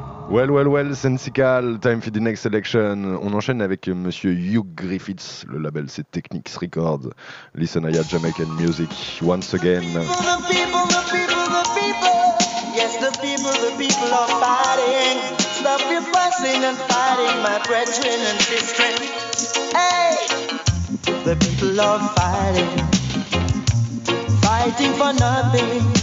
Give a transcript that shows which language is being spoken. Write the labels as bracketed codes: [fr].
[en] Well, well, well, Sensical, time for the next selection. [fr] On enchaîne avec Monsieur Hugh Griffiths, le label c'est Technics Records. [en] Listen, I had Jamaican music once again. The people, the people, the people, the people. Yes, the people are fighting. Stop your fussing and fighting, my brethren and sisters. Hey, the people are fighting. Fighting for nothing.